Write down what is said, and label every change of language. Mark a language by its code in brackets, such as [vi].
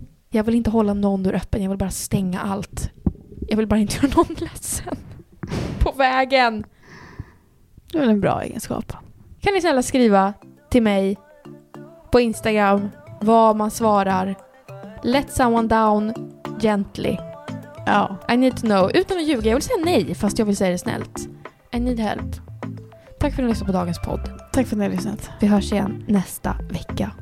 [sv] Jag vill inte hålla någon dörr öppen. Jag vill bara stänga allt. Jag vill bara inte göra någon ledsen. På vägen. Det är en bra egenskap. Kan ni snälla skriva till mig på Instagram vad man svarar? [en] Let someone down gently. [sv] Ja. [en] I need to know. [sv] Utan att ljuga. Jag vill säga nej, fast jag vill säga det snällt. [en] I need help. [sv] Tack för att ni lyssnade på dagens podd. Tack för att ni har lyssnat. Vi hörs igen nästa vecka.